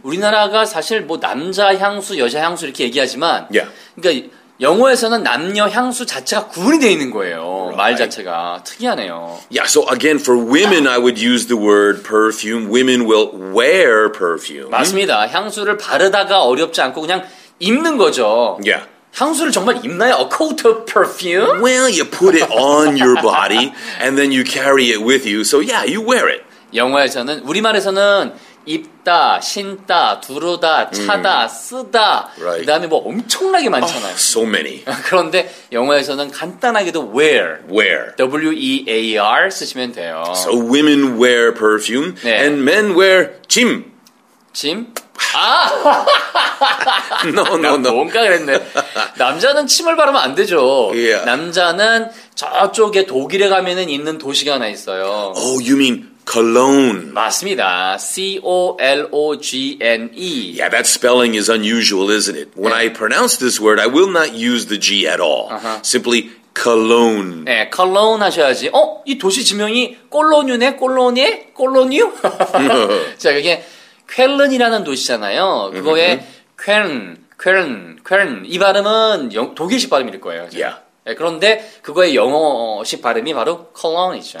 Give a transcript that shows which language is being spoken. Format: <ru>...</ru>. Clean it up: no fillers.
<ko>우리나라가 사실 뭐 남자 향수, 여자 향수 이렇게 얘기하지만</ko> <en>yeah.</en> <ko>그러니까 영어에서는 남녀 향수 자체가 구분이 되어 있는 거예요.</ko> <en>Right.</en> <ko>말 자체가. 특이하네요.</ko> <en>Yeah, so again, for women, I would use the word perfume. Women will wear perfume.</en> <ko>맞습니다. 향수를 바르다가 어렵지 않고 그냥 입는 거죠.</ko> <en>Yeah.</en> <ko>향수를 정말 입나요?</ko> <en>A coat of perfume? Well, you put it on your body, and then you carry it with you. So yeah, you wear it.</en> <ko>영어에서는, 우리말에서는 입다, 신다, 두르다, 차다, 쓰다.</ko> <en>Right.</en> <ko>그 다음에 뭐 엄청나게 많잖아요.</ko> <en>Oh, so many.</en> <ko>그런데 영어에서는 간단하게도 wear.</ko> <en>Wear.</en> <ko>W-E-A-R 쓰시면 돼요.</ko> <en>So women wear perfume,</en> <ko>네.</ko> <en>and men wear 짐.</en> <ko>짐? 아!</ko> <en>no, no, no.</en> <ko>뭔가 그랬네. 남자는 침을 바르면 안 되죠.</ko> <en>Yeah.</en> <ko>남자는 저쪽에 독일에 가면은 있는 도시가 하나 있어요.</ko> <en>Oh, you mean cologne.</en> <ko>맞습니다. C-O-L-O-G-N-E.</ko> <en>Yeah, that spelling is unusual, isn't it? When 네. I pronounce this word, I will not use the G at all. Uh-huh. Simply cologne.</en> <ko>네, cologne 하셔야지. 어? 이 도시 지명이 콜로뉴네? 콜로니? 콜로뉴? 자, 그게 쾰른이라는 도시잖아요. 그거에 쾰른, 쾰른, 쾰른 이 발음은 독일식 발음일 거예요.</ko> <en>야. Yeah.</en> <ko>그런데 그거의 영어식 발음이 바로 cologne이죠.</ko>